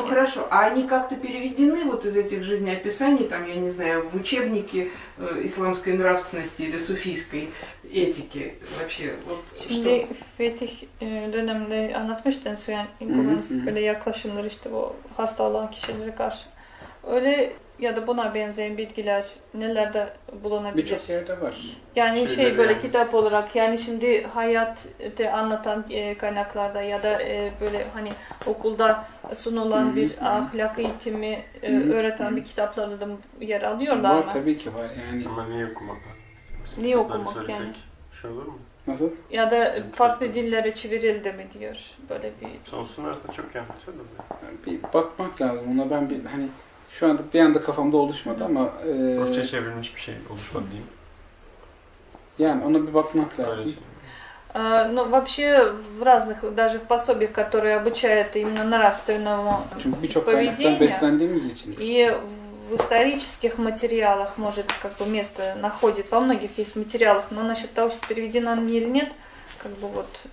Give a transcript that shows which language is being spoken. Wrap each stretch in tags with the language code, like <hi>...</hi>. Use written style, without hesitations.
<ru>Ну хорошо, а они как-то переведены вот из этих жизнеописаний, там, я не знаю, в учебники исламской нравственности или суфийской этики вообще? Вот что? В этих людях, я не знаю,</ru> <tr>я не знаю, ya da buna benzeyen bilgiler nelerde bulunabilir? Birçok yerde var. Yani şey böyle yani. Kitap olarak yani şimdi hayatı anlatan kaynaklarda ya da böyle hani okulda sunulan bir ahlak eğitimi öğreten bir kitaplarda da yer alıyorlar Var tabii ki var yani. Ama niye okumak? Niye okumak yani? Şey olur mu? Nasıl? Ya da yani farklı dillere çevrildi mi diyor böyle bir... Sonsunlar da çok yanlışıyor da. Bir bakmak lazım ona ben bir hani... Şu anda bir anda kafamda oluşmadı ama... Rusça çevrilmiş bir şey oluşmadı diyeyim. Yani ona bir bakmak lazım.</tr> <ru>Ну, вообще, в разных, даже в пособиях, которые обучают именно нравственному поведению, и в исторических материалах, может, как бы место находит, во многих есть материалах, но насчет того, что переведено они или нет, как бы вот...</ru>